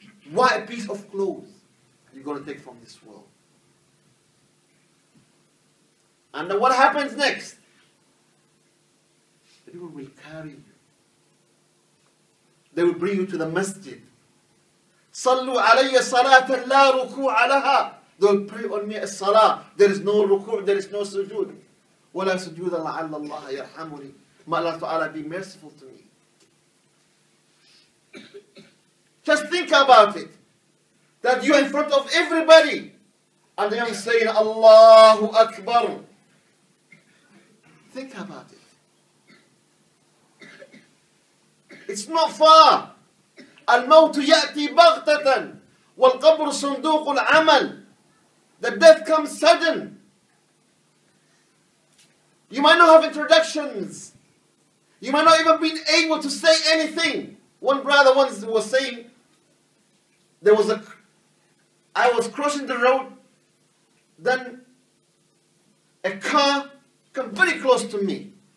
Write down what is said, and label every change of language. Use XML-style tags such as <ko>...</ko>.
<en>What a piece of clothes you're going to take from this world. And then what happens next? The people will carry you. They will bring you to the masjid.</en> <ar>صلوا علي صلاة لا ركوع لها.</ar> <en>They'll pray on me a salah. There is no ركوع, there is no sujood.</en> <ar>ولا سجود لعل الله يرحمني.</ar> <en>May Allah Ta'ala be merciful to me. Just think about it. That you're in front of everybody. And they are saying, Allahu Akbar. Think about it. It's not far.</en> <ar>الموت يأتي بغتة والقبر صندوق العمل.</ar> <en>The death comes sudden. You might not have introductions. You might not even be able to say anything. One brother once was saying, I was crossing the road, then a car came very close to me.</en>